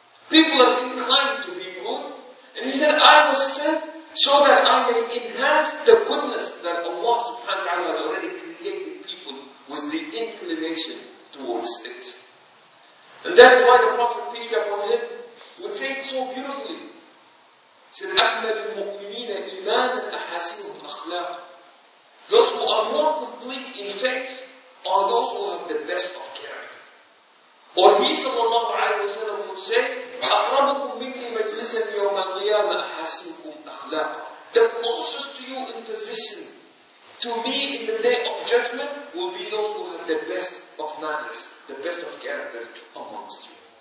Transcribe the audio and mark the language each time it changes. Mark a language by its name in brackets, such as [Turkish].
[English] People are inclined to be good. And he said, I was sent so that I may enhance the goodness that Allah subhanahu wa ta'ala has already created people with the inclination towards it. And that's why the Prophet, peace be upon him, would say it so beautifully. He said, [Arabic] أَكْمَلُ الْمُؤْمِنِينَ إِمَانًا أَحَاسِنُهُمْ أَخْلَاقٍ. [English] Those who are more complete in faith are those who have the best of character. Or he sallallahu alayhi wa sallam would say, [Arabic] أَقْرَبُكُمْ مِنِّي مَجْلِسًا يَوْمَ الْقِيَامَ أَحَاسِنُكُمْ أَخْلَاقًا. [English] The closest to you in position to me in the day of judgment will be those who have the best of manners, the best of character amongst you.